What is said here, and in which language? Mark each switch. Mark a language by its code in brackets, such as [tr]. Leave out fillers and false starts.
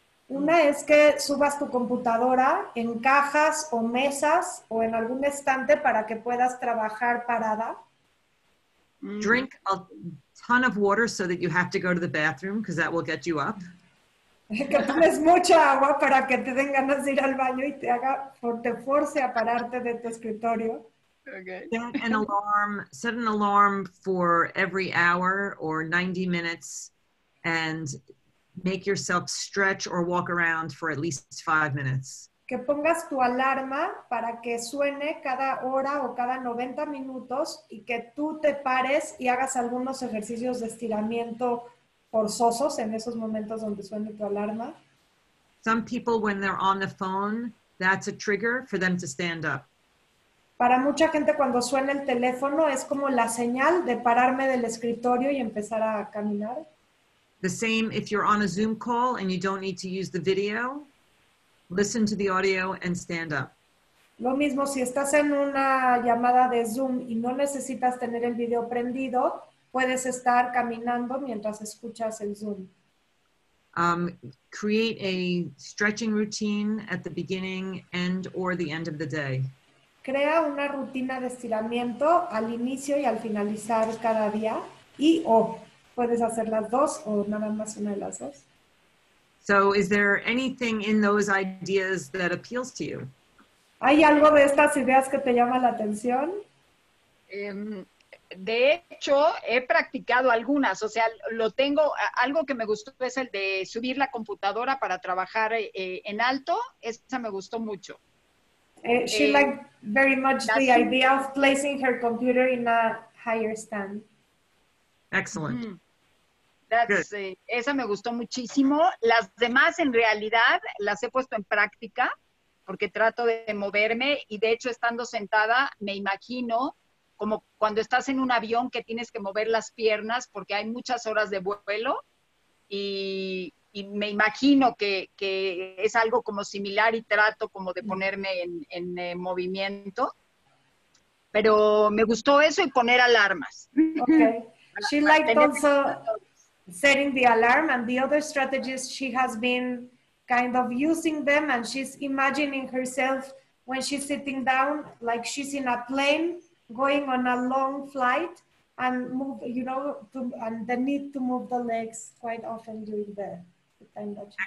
[es] Una es que subas tu computadora en cajas o mesas o en algún estante para que puedas trabajar parada. [en] Drink a ton of water so that you have to go to the bathroom, because that will get you up. [es] Que tomes mucha agua para que te den ganas de ir al baño y te force a pararte de tu escritorio. [en] Okay. Set an alarm for every hour or 90 minutes and make yourself stretch or walk around for at least 5 minutes. [es] Que pongas tu alarma para que suene cada hora o cada 90 minutos y que tú te pares y hagas algunos ejercicios de estiramiento forzosos en esos momentos donde suene tu alarma. [en] Some people, when they're on the phone, that's a trigger for them to stand up. [es] Para mucha gente, cuando suena el teléfono, es como la señal de pararme del escritorio y empezar a caminar. [en] The same if you're on a Zoom call and you don't need to use the video, listen to the audio and stand up. [es] Lo mismo si estás en una llamada de Zoom y no necesitas tener el video prendido, puedes estar caminando mientras escuchas el Zoom. [en] Create a stretching routine at the beginning, end, or the end of the day. [es] Crea una rutina de estiramiento al inicio y al finalizar cada día, y o puedes hacer las dos o nada más una de las dos. [en] So is there anything in those ideas that appeals to you? [es] ¿Hay algo de estas ideas que te llama la atención? De hecho, he practicado algunas, o sea, lo tengo, algo que me gustó es el de subir la computadora para trabajar en alto, esa me gustó mucho. [en] She liked very much the idea of placing her computer in a higher stand. Excellent. [es] Esa me gustó muchísimo. Las demás, en realidad, las he puesto en práctica porque trato de moverme y, de hecho, estando sentada, me imagino como cuando estás en un avión que tienes que mover las piernas porque hay muchas horas de vuelo y me imagino que es algo como similar y trato como de ponerme en movimiento. Pero me gustó eso y poner alarmas. [en] Okay. She liked also setting the alarm, and the other strategies she has been kind of using them, and she's imagining herself when she's sitting down, like she's in a plane going on a long flight and move, you know, to, and the need to move the legs quite often during the time that she's.